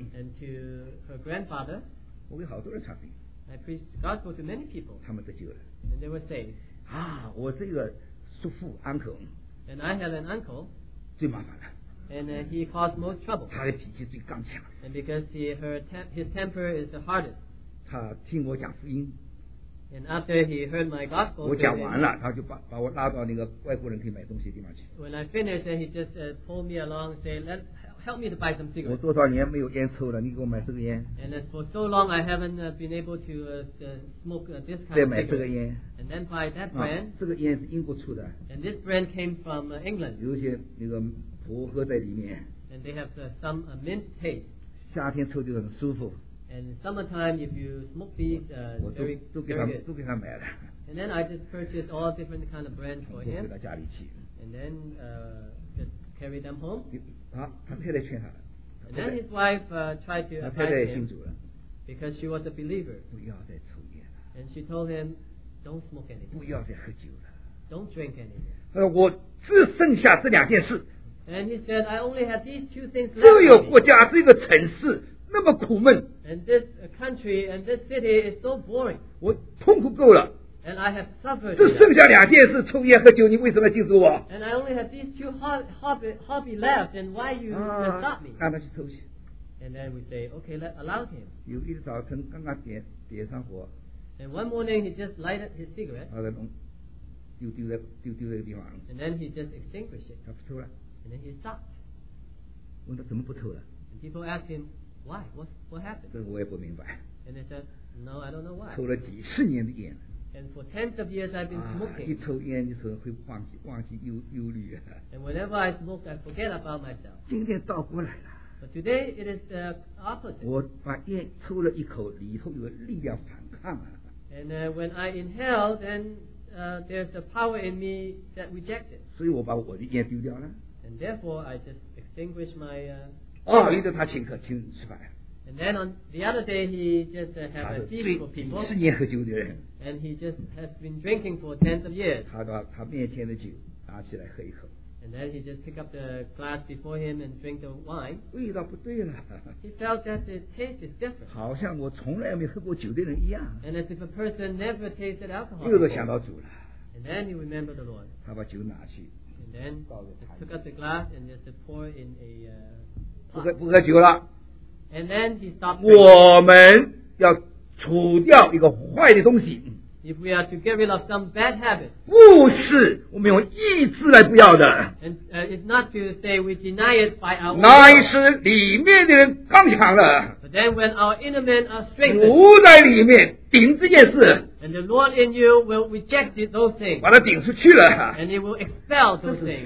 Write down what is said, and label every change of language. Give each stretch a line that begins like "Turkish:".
English: and to her grandfather
Chinese: 我给好多人唱兵
English: I preached gospel to many people
Chinese: 他们得救了
English: and they were saved
Chinese: 啊我这个叔父 uncle
English: and I had an uncle
Chinese: 最麻烦了
English: And he caused most trouble.
Chinese: 他的脾气最刚强。
English: And because his temper is the hardest.
Chinese: 他听我讲福音。
English: And after he heard my gospel.
Chinese: 我讲完了，他就把我拉到那个外国人可以买东西的地方去。
English: When I finished, he just pulled me along, saying, "Let help me to buy some cigarettes."
Chinese: 我多少年没有烟抽了，你给我买这个烟。
English: And as for so long, I haven't been able to smoke this kind of cigarette.
Chinese: 再买这个烟。
English: And then buy that brand.
Chinese: 这个烟是英国出的。
English: And this brand came from England.
Chinese: 有些那个。薄荷在里面
English: and they have some mint taste
Chinese: 夏天抽就很舒服
English: and summertime if you smoke these
Chinese: 我 都,
English: very,
Chinese: 都, 给他
English: very good.
Chinese: 都给他买了
English: and then I just purchased all different kind of brands for him
Chinese: 回到家里去
English: and then just carry them home
Chinese: 啊他太太劝他了
English: and then his wife tried to advise him
Chinese: 他太太也信主了
English: because she was a believer
Chinese: 不要再抽烟了
English: and she told him don't smoke anything
Chinese: 不要再喝酒了
English: don't drink anything
Chinese: 我只剩下这两件事
English: And he said, I only have these two things left.
Chinese: 这有国家，这个城市那么苦闷。
English: And this country and this city is so boring.
Chinese: 我痛苦够了。
English: And I have suffered.
Chinese: 只剩下两件事，抽烟喝酒，你为什么禁止我
English: ？And I only have these two hobby left, and why you stop me？
Chinese: 让他去抽去。
English: And then we say, okay, let allow him.
Chinese: 有一早晨刚刚点上火。
English: And one morning he just lighted his cigarette.
Chinese: 他在弄，丢那个地方。
English: And then he just extinguished it.
Chinese: 他不抽了。
English: And then he stopped.
Chinese: 问他怎么不抽了?
English: And people ask him, why? What happened?
Chinese: 这个我也不明白。
English: And they said, no, I don't know why.
Chinese: 抽了几十年的烟。
English: And for tens of years I've been smoking.
Chinese: 一抽烟的时候会忘记忧虑。
English: And whenever I smoke, I forget about myself.
Chinese: 今天倒过来了。
English: But today it is the opposite.
Chinese: 我把烟抽了一口，里头有力量反抗啊。
English: And when I inhale, then there's a power in me that rejects it.
Chinese: 所以我把我的烟丢掉了。
English: And therefore, I just extinguished my.
Chinese: 遇到他请客，请吃饭。
English: And then on the other day, he just had a feast for people.
Chinese: 几十年喝酒的人。
English: And he just has been drinking for tens of years.
Chinese: 他把他面前的酒拿起来喝一口。
English: And then he just picked up the glass before him and drank the wine.
Chinese: 味道不对了。
English: He felt that the taste is different.
Chinese: 好像我从来没喝过酒的人一样。
English: And as if a person never tasted alcohol.
Chinese: 又都想到主了。
English: And then he remembered the Lord.
Chinese: 他把酒拿去。
English: And then took up the glass and just pour in a pot.
Chinese: 不喝酒了。
English: And then he stopped.
Chinese: 我们要除掉一个坏的东西。
English: If we are to get rid of some bad habit.
Chinese: 不是，我们用意志来不要的。
English: And it's not to say we deny it by our.
Chinese: 乃是里面的人刚强了。
English: But then when our inner men are strengthened.
Chinese: 主在里面顶这件事。
English: And the Lord in you will reject those things.
Chinese: 把它顶出去了。
English: And it will expel those things.